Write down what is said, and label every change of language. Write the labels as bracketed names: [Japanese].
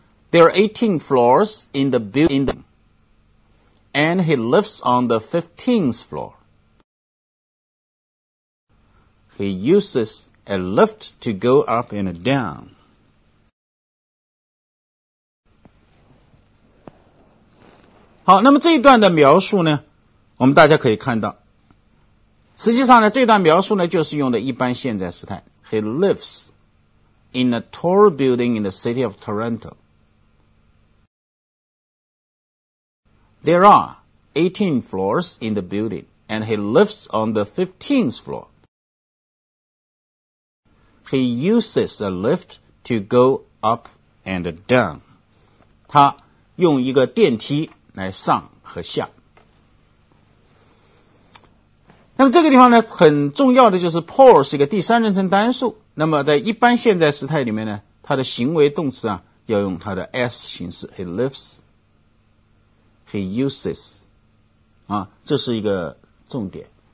[English] There are 18 floors in the building, and he lives on the 15th floor. He uses a lift to go up and down. [Chinese] 好，那么这一段的描述呢，我们大家可以看到，实际上呢，这段描述呢，就是用的一般现在时态。 [English] He lives in a tall building in the city of Toronto. There are 18 floors in the building, and he lives on the 15th floor. He uses a lift to go up and down. [Chinese] 他用一个电梯来上和下。那么这个地方呢，很重要的就是 Paul 是一个第三人称单数，那么在一般现在时态里面呢，他的行为动词啊要用他的 S 形式， He lives, He uses, 啊，这是一个重点。